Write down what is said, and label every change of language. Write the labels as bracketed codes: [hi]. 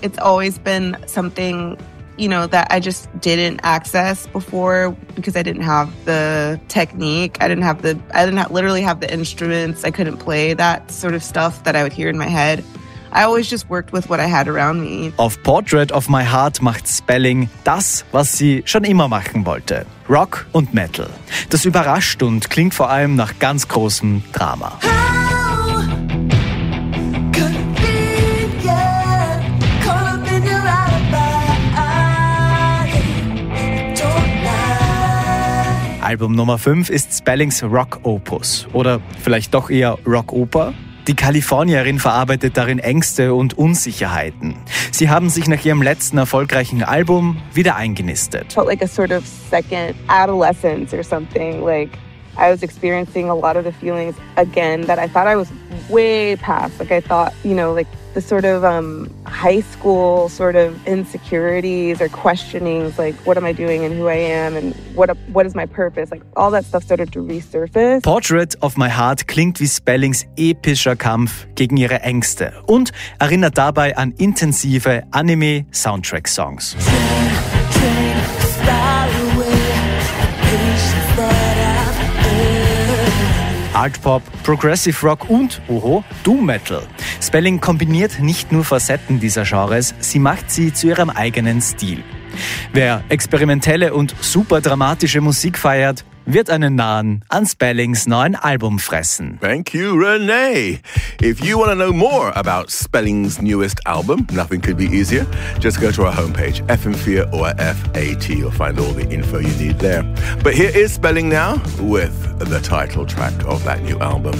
[en] It's always been something, you know, that I just didn't access before because I didn't have the technique. I didn't literally have the instruments. I couldn't play that sort of stuff that I would hear in my head. I always just worked with what I had around me. [de] Auf Portrait of My Heart macht Spelling das, was sie schon immer machen wollte. Rock und Metal. Das überrascht und klingt vor allem nach ganz großem Drama. Album Nummer 5 ist Spellings Rock Opus oder vielleicht doch eher Rock Oper. Die Kalifornierin verarbeitet darin Ängste und Unsicherheiten. Sie haben sich nach ihrem letzten erfolgreichen Album wieder eingenistet. [en] Felt like a sort of second adolescence or something. Like I was experiencing a lot of the feelings again that I thought I was way past. Like I thought, you know, like the sort of high school sort of insecurities or questionings, like what am I doing and who I am and what is my purpose, like all that stuff started to resurface. [de] Portrait of My Heart klingt wie Spellings epischer Kampf gegen ihre Ängste und erinnert dabei an intensive Anime-Soundtrack-Songs. Art-Pop, Progressive-Rock und, oho, Doom-Metal. Spelling kombiniert nicht nur Facetten dieser Genres, sie macht sie zu ihrem eigenen Stil. Wer experimentelle und super dramatische Musik feiert, wird einen Nahen an Spellings neuen Album fressen. [en] Thank you, Renee. If you want to know more about Spelling's newest album, nothing could be easier, just go to our homepage, FM4 or FAT. You'll find all the info you need there. But here is Spelling now with the title track of that new album.